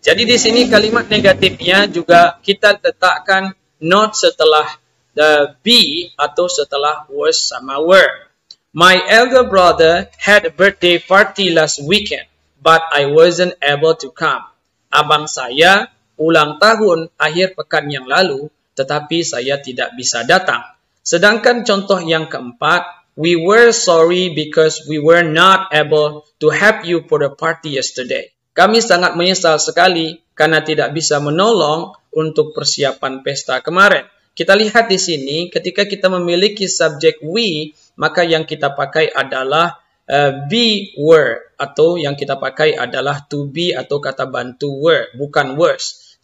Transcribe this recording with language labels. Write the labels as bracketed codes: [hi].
[id] Jadi di sini kalimat negatifnya juga kita letakkan not setelah the be atau setelah was sama were. [en] My elder brother had a birthday party last weekend, but I wasn't able to come. [id] Abang saya ulang tahun akhir pekan yang lalu, tetapi saya tidak bisa datang. Sedangkan contoh yang keempat, [en] we were sorry because we were not able to help you for the party yesterday. [id] Kami sangat menyesal sekali karena tidak bisa menolong untuk persiapan pesta kemarin. Kita lihat di sini, ketika kita memiliki subjek we, maka yang kita pakai adalah be were, atau yang kita pakai adalah to be atau kata bantu were, bukan was.